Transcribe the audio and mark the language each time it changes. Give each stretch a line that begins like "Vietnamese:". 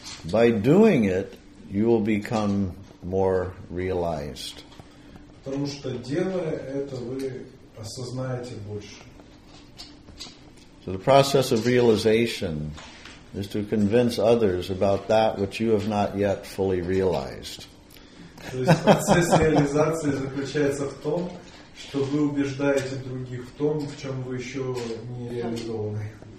English: By doing it, you will become more realized.
Russian: Потому что делая это, вы осознаете больше.
English: So the process of realization is to convince others about that which you have not yet fully realized.
Russian: То есть процесс реализации заключается в том, что вы убеждаете других в том, в чем вы еще не реализованы.